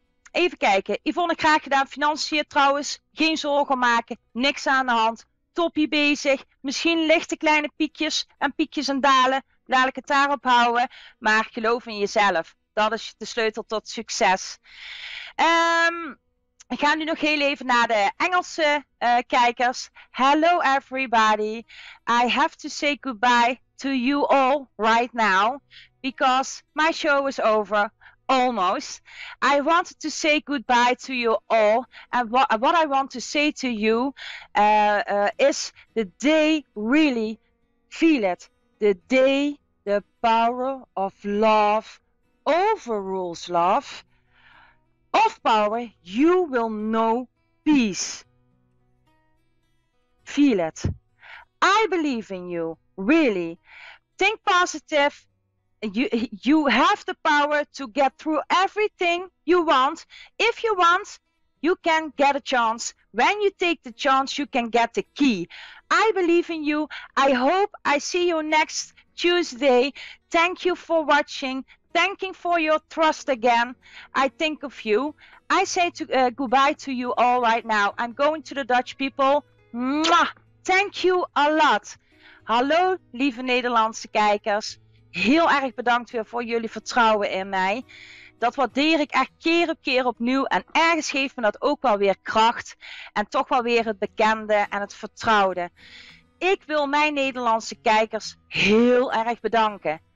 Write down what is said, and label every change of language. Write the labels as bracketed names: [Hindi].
[Dutch] Even kijken. Yvonne, graag gedaan. Financiën trouwens. Geen zorgen maken. Niks aan de hand. Toppie bezig. Misschien lichte kleine piekjes en piekjes en dalen. Laat ik het daarop houden. Maar geloof in jezelf. Dat is de sleutel tot succes. Ik ga nu nog heel even naar de Engelse kijkers. [English] Hello everybody. I have to say goodbye to you all right now. Because my show is over. Almost. I wanted to say goodbye to you all. And what I want to say to you is the day really feel it. The day the power of love overrules love. Of power, you will know peace. Feel it. I believe in you, really. Think positive. You have the power to get through everything you want. If you want, you can get a chance. When you take the chance, you can get the key. I believe in you. I hope I see you next Tuesday. Thank you for watching. Thanking for your trust again. I think of you. I say goodbye to you all right now. I'm going to the Dutch people. Mwah! Thank you a lot. [Dutch] Hallo, lieve Nederlandse kijkers. Heel erg bedankt weer voor jullie vertrouwen in mij. Dat waardeer ik echt keer op keer opnieuw. En ergens geeft me dat ook wel weer kracht. En toch wel weer het bekende en het vertrouwde. Ik wil mijn Nederlandse kijkers heel erg bedanken.